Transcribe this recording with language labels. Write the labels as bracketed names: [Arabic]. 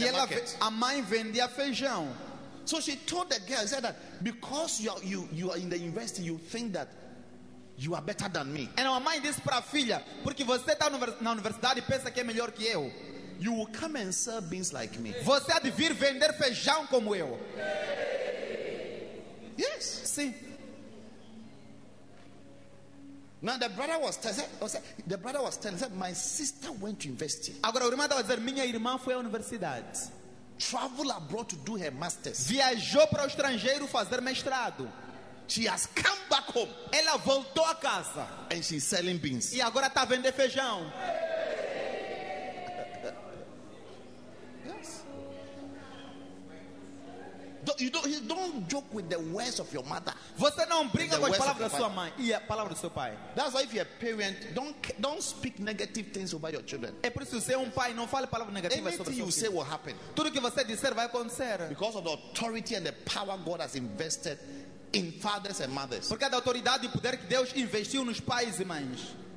[English] the market. [Portuguese] A mãe vendia feijão. [English] So she told the girl, said that because you are in the university, you think that you are better than me. [Portuguese] And a mãe disse para a filha, porque você está na universidade e pensa que é melhor que eu. [English] You will come and sell beans like me. [Portuguese] Você há de vir vender feijão como eu. [English] Yes. [Portuguese] Sim. [English] Now the brother was telling. The brother was telling. Said my sister went to university. [Portuguese] Agora o irmão estava dizendo, minha irmã foi à universidade. [English] Travel abroad to do her masters. [Portuguese] Viajou para o estrangeiro fazer mestrado. [English] She has come back home. [Portuguese] Ela voltou a casa. [English] And she's selling beans. [Portuguese] E agora está vendendo feijão. [English] You don't joke with the words of your mother. [Portuguese] Você não brinca com as palavras da sua mãe e a palavra do seu pai. [English] That's why if you're a parent, don't speak negative things about your children. [Portuguese] É por isso que ser um pai não fale palavras negativas sobre seus filhos. [English] Anything you say will happen. [Portuguese] Tudo que você disser vai acontecer. [English] Because of the authority and the power God has invested in fathers and mothers. [Portuguese] Porque da autoridade e poder que Deus investiu nos pais e mães.